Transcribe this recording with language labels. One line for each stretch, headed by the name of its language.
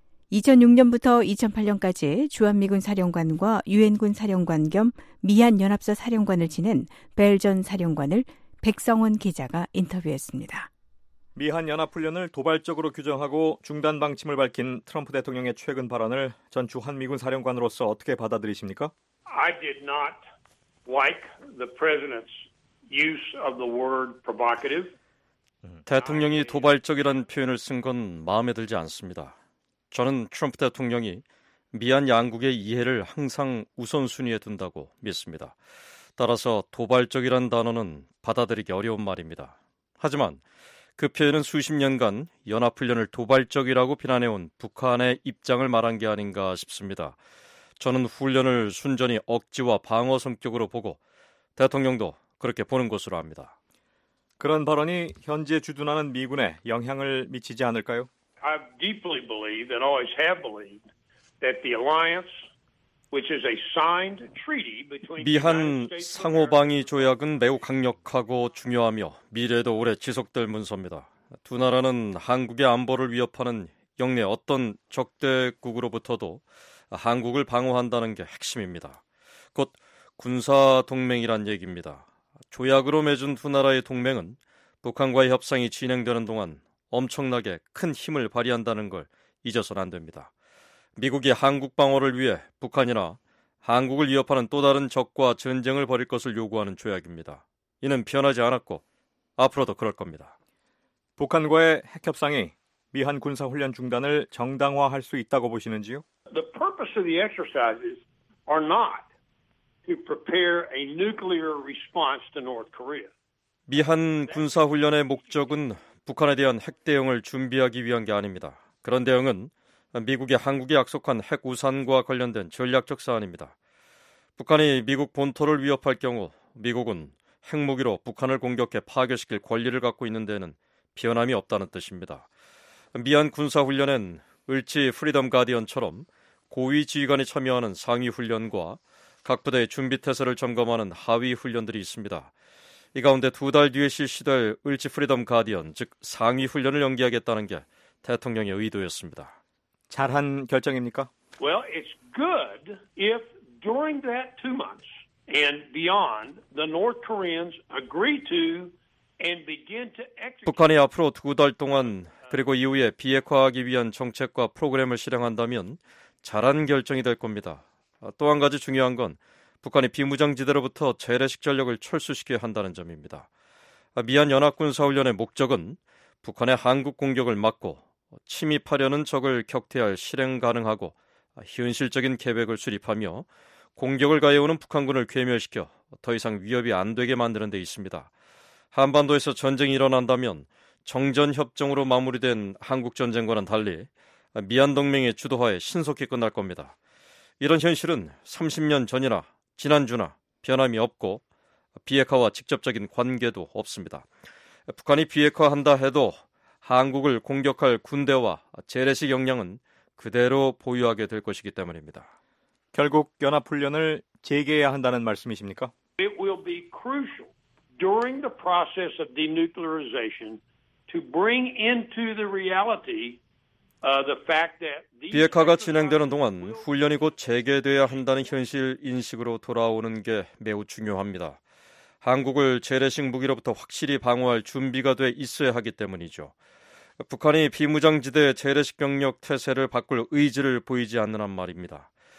Korean: 2006년부터 2008년까지 주한미군 사령관과 유엔군 사령관 겸 미한연합사 사령관을 지낸 벨 전 사령관을 백성원 기자가 인터뷰했습니다. 미한연합훈련을 도발적으로 규정하고 중단 방침을 밝힌 트럼프 대통령의 최근 발언을 전 주한미군 사령관으로서 어떻게 받아들이십니까?
English: I did not like the president's use of the word provocative.
Korean: 대통령이 도발적이라는 표현을 쓴 건 마음에 들지 않습니다. 저는 트럼프 대통령이 미한 양국의 이해를 항상 우선순위에 둔다고 믿습니다. 따라서 도발적이란 단어는 받아들이기 어려운 말입니다. 하지만 그 표현은 수십 년간 연합훈련을 도발적이라고 비난해온 북한의 입장을 말한 게 아닌가 싶습니다. 저는 훈련을 순전히 억지와 방어 성격으로 보고 대통령도 그렇게 보는 것으로 압니다. 그런 발언이 현지에 주둔하는 미군에 영향을 미치지 않을까요?
English: I deeply believe and always have believed that the alliance, which is a signed treaty between
Korean: 미한 상호방위 조약은 매우 강력하고 중요하며 미래도 오래 지속될 문서입니다. 두 나라는 한국의 안보를 위협하는 영내 어떤 적대국으로부터도 한국을 방어한다는 게 핵심입니다. 곧 군사동맹이란 얘기입니다. 조약으로 맺은 두 나라의 동맹은 북한과의 협상이 진행되는 동안 엄청나게 큰 힘을 발휘한다는 걸 잊어서는 안 됩니다. 미국이 한국 방어를 위해 북한이나 한국을 위협하는 또 다른 적과 전쟁을 벌일 것을 요구하는 조약입니다. 이는 변하지 않았고 앞으로도 그럴 겁니다. 북한과의 핵협상이 미한 군사훈련 중단을 정당화할 수 있다고 보시는지요?
English: The purpose of the exercises are not to prepare a nuclear response to North Korea.
Korean: 미한 군사훈련의 목적은 북한에 대한 핵 대응을 준비하기 위한 게 아닙니다. 그런 대응은 미국이 한국에 약속한 핵 우산과 관련된 전략적 사안입니다. 북한이 미국 본토를 위협할 경우 미국은 핵무기로 북한을 공격해 파괴시킬 권리를 갖고 있는 데는 변함이 없다는 뜻입니다. 미한 군사훈련엔 을지 프리덤 가디언처럼 고위 지휘관이 참여하는 상위 훈련과 각 부대의 준비태세를 점검하는 하위 훈련들이 있습니다. 이 가운데 두 달 뒤에 실시될 을지 프리덤 가디언, 즉 상위 훈련을 연기하겠다는 게 대통령의 의도였습니다. 잘한 결정입니까?
English: Well, it's good if during that 2 months and beyond the North Koreans agree to and begin to execute.
Korean: 북한이 앞으로 두 달 동안 그리고 이후에 비핵화하기 위한 정책과 프로그램을 실행한다면 잘한 결정이 될 겁니다. 또 한 가지 중요한 건 북한이 비무장지대로부터 재래식 전력을 철수시켜야 한다는 점입니다. 미한 연합군사훈련의 목적은 북한의 한국 공격을 막고 침입하려는 적을 격퇴할 실행 가능하고 현실적인 계획을 수립하며 공격을 가해오는 북한군을 괴멸시켜 더 이상 위협이 안 되게 만드는 데 있습니다. 한반도에서 전쟁이 일어난다면 정전협정으로 마무리된 한국전쟁과는 달리 미한동맹의 주도하에 신속히 끝날 겁니다. 이런 현실은 30년 전이나 지난주나 변함이 없고 비핵화와 직접적인 관계도 없습니다. 북한이 비핵화한다 해도 한국을 공격할 군대와 재래식 역량은 그대로 보유하게 될 것이기 때문입니다. 결국 연합훈련을 재개해야 한다는 말씀이십니까?
English: It will be crucial during the process of denuclearization to bring into the reality the fact that
Korean: 비핵화가 진행되는 동안 훈련이 곧 재개돼야 한다는 현실 인식으로 돌아오는 게 매우 중요합니다. 한국을 재래식 무기로부터 확실히 방어할 준비가 돼 있어야 하기 때문이죠. 북한이 비무장지대 재래식 경력 태세를 바꿀 의지를 보이지 않는 한 말입니다.